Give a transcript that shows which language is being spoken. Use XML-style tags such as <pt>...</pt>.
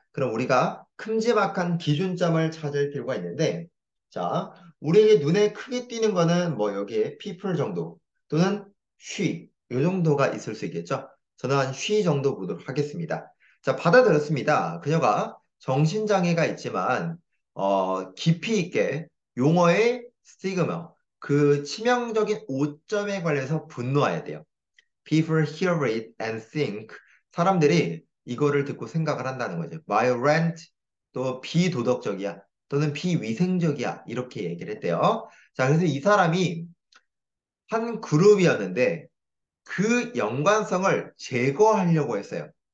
<ko>그럼 우리가 큼지막한 기준점을 찾을 필요가 있는데, 자, 우리에게 눈에 크게 띄는 거는 뭐 여기에 people 정도 또는 she 이 정도가 있을 수 있겠죠. 저는 한쉬 정도 보도록 하겠습니다. 자, 받아들였습니다. 그녀가 정신장애가 있지만, 깊이 있게 용어의 스티그마, 그 치명적인 오점에 관해서 분노해야 돼요.</ko> <en>People hear it and think.</en> <ko>사람들이 이거를 듣고 생각을 한다는 거죠. Violent, 또 비도덕적이야, 또는 비위생적이야, 이렇게 얘기를 했대요. 자, 그래서 이 사람이 한 그룹이었는데, 그 연관성을 제거하려고 했어요.</ko>